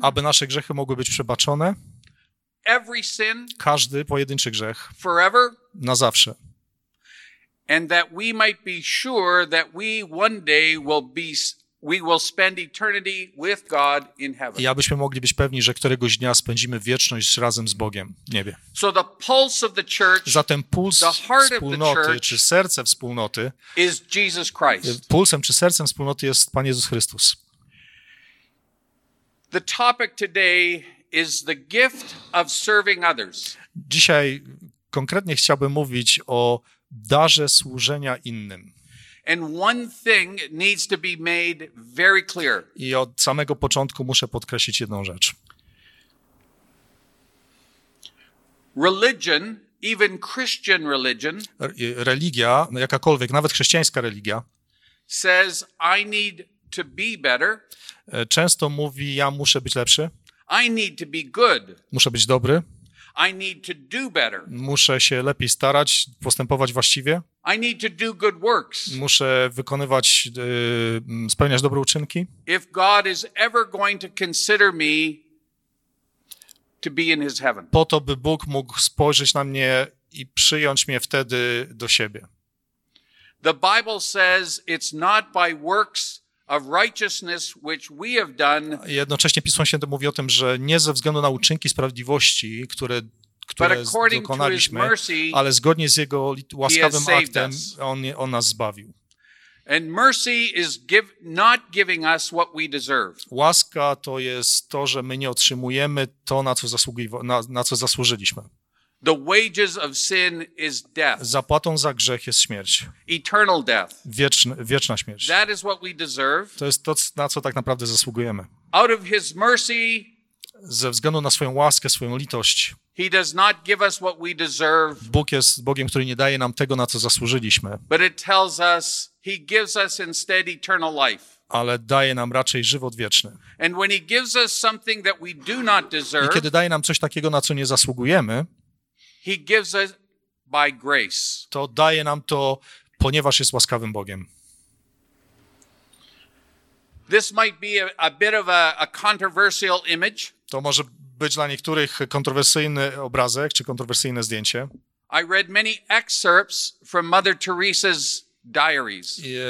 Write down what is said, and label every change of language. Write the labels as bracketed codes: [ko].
[pl] Aby nasze grzechy mogły być przebaczone. [en] Every sin, [pl] każdy pojedynczy grzech, [en] forever, [pl] na zawsze, [en] and that we might be sure that we one day will spend eternity with God in heaven. [pl] I abyśmy mogli być pewni, że któregoś dnia spędzimy wieczność razem z Bogiem w niebie. [en] So the pulse of the church, [pl] zatem puls [en] the heart [pl] wspólnoty, [en] of the church, [pl] czy serce wspólnoty, [en] is Jesus Christ. [pl] Pulsem czy sercem wspólnoty jest Pan Jezus Chrystus. [en] The topic today is the gift of serving others. [pl] Dzisiaj konkretnie chciałbym mówić o darze służenia innym. [en] And one thing needs to be made very clear. [pl] I od samego początku muszę podkreślić jedną rzecz. [en] Religion, even Christian religion, [pl] religia, jakakolwiek, nawet chrześcijańska religia, [en] says, I need to be better. [pl] Często mówi, ja muszę być lepszy. [en] I need to be good. [pl] Muszę być dobry. [en] I need to do better. [pl] Muszę się lepiej starać, postępować właściwie. [en] I need to do good works. [pl] Muszę wykonywać, spełniać dobre uczynki. [en] If God is ever going to consider me to be in his heaven. [pl] Po to, by Bóg mógł spojrzeć na mnie i przyjąć mnie wtedy do siebie. [en] The Bible says it's not by works of righteousness which we have done. [pl] Jednocześnie Pismo Święte mówi o tym, że nie ze względu na uczynki sprawiedliwości, które dokonaliśmy, [en] mercy, [pl] ale zgodnie z jego łaskawym aktem on nas zbawił. [en] And mercy is not giving us what we deserve. [pl] Łaska to jest to, że my nie otrzymujemy to, na co zasłużyliśmy. [en] The wages of sin is death. [pl] Zapłatą za grzech jest śmierć. [en] Eternal death. [pl] Wieczna śmierć. [en] That is what we deserve. [pl] To jest to, na co tak naprawdę zasługujemy. [en] Out of his mercy, [pl] ze względu na swoją łaskę, swoją litość, [en] he does not give us what we deserve. [pl] Bóg jest Bogiem, który nie daje nam tego, na co zasłużyliśmy. [en] But it tells us, he gives us instead eternal life. [pl] Ale daje nam raczej żywot wieczny. [en] And when he gives us something that we do not deserve, [pl] i kiedy daje nam coś takiego, na co nie zasługujemy, [en] he gives us by grace. [pl] To daje nam to, ponieważ jest łaskawym Bogiem. [en] This might be a bit of a controversial image. [pl] To może być dla niektórych kontrowersyjny obrazek czy kontrowersyjne zdjęcie. [en] I read many excerpts from Mother Teresa's diaries.